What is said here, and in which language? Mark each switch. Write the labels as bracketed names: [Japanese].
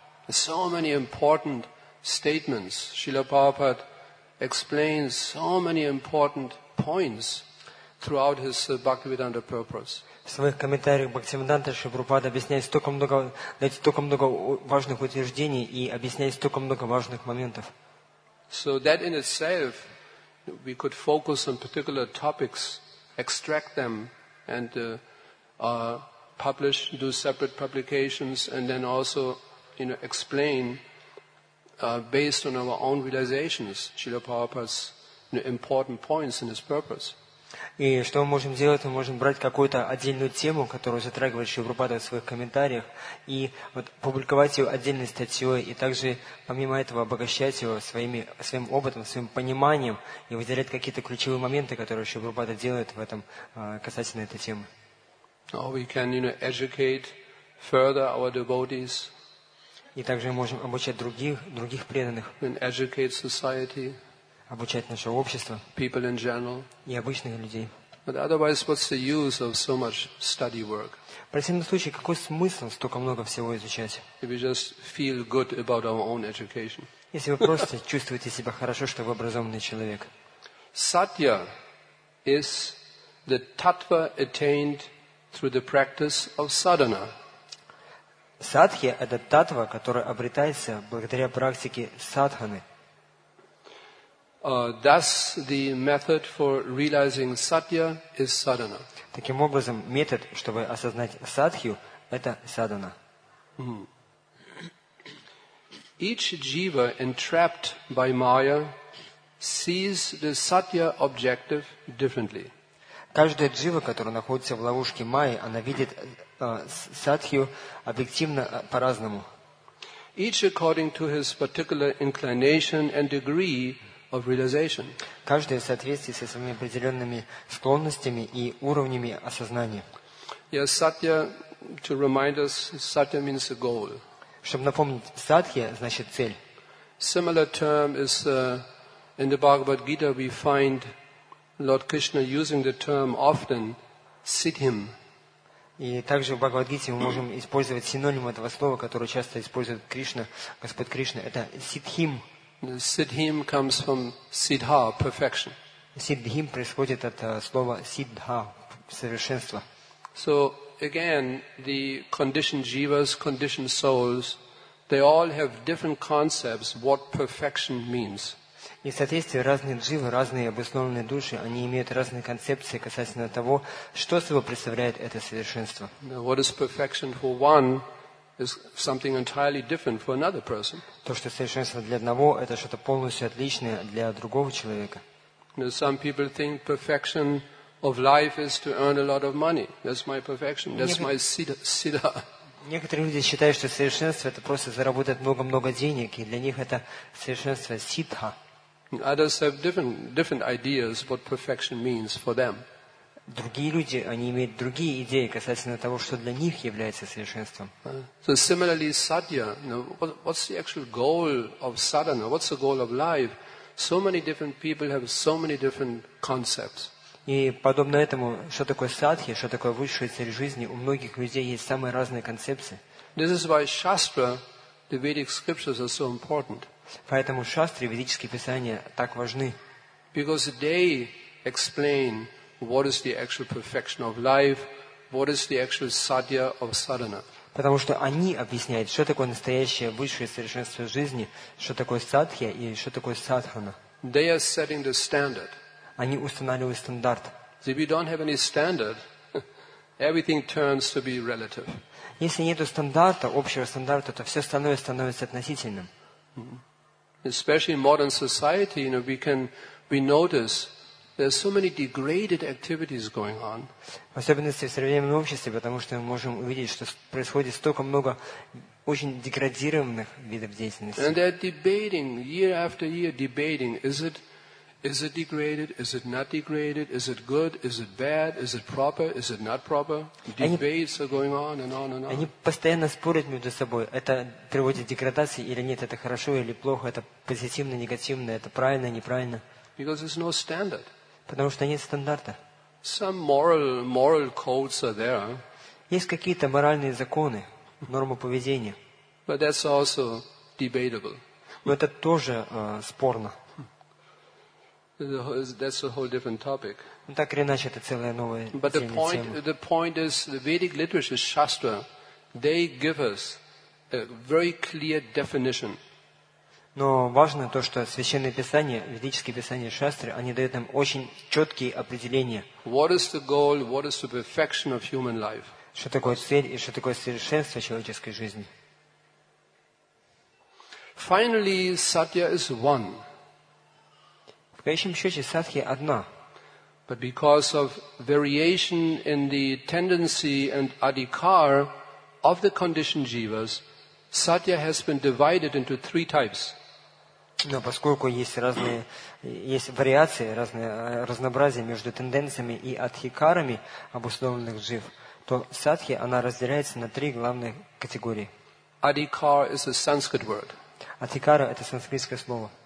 [English] So many important statements. Шивропада explains so many important points throughout his Bhaktivedanta Purports. [Russian] В своих комментариях Бхактивиданта Шри Прабхупада объясняет столько много важных утверждений и объясняет столько много важных моментов. [English] So that in itself we could focus on particular topics, extract them and publish, do separate publications and then also, you know, explain based on our own realizations Srila Prabhupada's, you know, important points in his purpose. [Russian] И что мы можем делать? Мы можем брать какую-то отдельную тему, которую затрагивает Шри Прабхупада в своих комментариях, и вот публиковать ее отдельной статьей, и также, помимо этого, обогащать его своим опытом, своим пониманием, и выделять какие-то ключевые моменты, которые Шри Прабхупада делает в этом, касательно этой темы. [English] Or we can, you know, educate further our devotees. [Russian] И также мы можем обучать других преданных. [English] And educate society. [Russian] Обучать наше общество [English] people in general. [Russian] И обычных людей. [English] But otherwise, what's the use of so much study work? [Russian] В противном случае, какой смысл столько много всего изучать? [English] If we just feel good about our own education. [Russian] Если вы просто чувствуете себя хорошо, что вы образованный человек. [English] Satya is the tattva attained through the practice of sadhana. [Russian] Сатхи – это таттва, которая обретается благодаря практике садханы. [English] Thus, the method for realizing satya is sadhana. [Russian] Таким образом, метод, чтобы осознать садхью, это садхана. Mm-hmm. [English] Each jiva entrapped by maya sees the satya objective differently. [Russian] Каждая джива, которая находится в ловушке майи, она видит садхью объективно по-разному. [English] Each according to his particular inclination and degree of realization. [Russian] Каждый в соответствии со своими определенными склонностями и уровнями осознания. [English] Yes, satya, to remind us, satya means a goal. [Russian] Чтобы напомнить, садхья значит цель. [English] Similar term is in the Bhagavad Gita we find Lord Krishna using the term often siddhim. [Russian] И также в Бхагавад Гите мы можем использовать синоним этого слова, которое часто использует Кришна, Господь Кришна, это сиддхим. [English] Siddhim comes from siddha, perfection. [Russian] Siddhim происходит от слова siddha, совершенство. [English] So again, the conditioned jivas, conditioned souls, they all have different concepts what perfection means. [Russian] И в соответствии разные дживы, разные обусловленные души, они имеют разные концепции касательно того, что собой представляет это совершенство. [English] What is perfection for one? Is something entirely different for another person. [Russian] То, что совершенство для одного, это что-то полностью отличное для другого человека. [English] Now, some people think perfection of life is to earn a lot of money. That's my perfection. That's my siddha. [Russian] Некоторые люди считают, что совершенство – это просто заработать много-много денег, и для них это совершенство – ситха. [English] Others have different ideas what perfection means for them. [Russian] Другие люди, они имеют другие идеи касательно того, что для них является совершенством. [English] So similarly, sadhya, what's the actual goal of sadhana? What's the goal of life? So many different people have so many different concepts. [Russian] И подобно этому, что такое садхи, что такое высшая цель жизни, у многих людей есть самые разные концепции. [English] This is why shastra, the Vedic scriptures are so important. [Russian] Поэтому шастры, ведические писания, так важны. [English] Because they explain what is the actual perfection of life, what is the actual sadhya of sadhana. [Russian] Потому что они объясняют, что такое настоящее высшее совершенство жизни, что такое садхья и что такое садхана. [English] They are setting the standard. [Russian] Они устанавливают стандарт. [English] If you don't have any standard, everything turns to be relative. [Russian] Если нету стандарта, общего стандарта, то все становится относительным. [English] Especially in modern society, you know, we notice there's so many degraded activities going on. [Russian] В особенности в современном обществе, потому что мы можем увидеть, что происходит столько много очень деградированных видов деятельности. [English] And they're debating year after year, debating is it degraded? Is it not degraded? Is it good? Is it bad? Is it proper? Is it not proper? Debates are going on and on and on. [Russian] Они постоянно спорят между собой. Это приводит к деградации или нет? Это хорошо или плохо? Это позитивно, негативно? Это правильно, неправильно? [English] Because there's no standard. [Russian] Потому что нет стандарта. [English] Some moral codes are there. [Russian] Есть какие-то моральные законы, нормы поведения. [English] But that's also debatable. [Russian] Но это тоже спорно. [English] That's a whole different topic. [Russian] Так или иначе, это целая новая тема. [English] But the point is, the Vedic literature, Shastra, they give us a very clear definition. [Russian] Но важно то, что священные писания, ведические писания, шастры, они дают нам очень четкие определения. [English] What is the goal? What is the perfection of human life? [Russian] Что такое цель и что такое совершенство человеческой жизни? [English] Finally, Satya is one. [Russian] В конечном счете, садхи одна. [English] But because of variation in the tendency and adhikar of the conditioned jivas, satya has been divided into three types. [Russian] Но поскольку есть вариации, разные разнообразия между тенденциями и адхикарами обусловленных жив, то садхи она разделяется на три главные категории. [English] Adhikar is a Sanskrit word. [Russian] Адхикара это санскритское слово.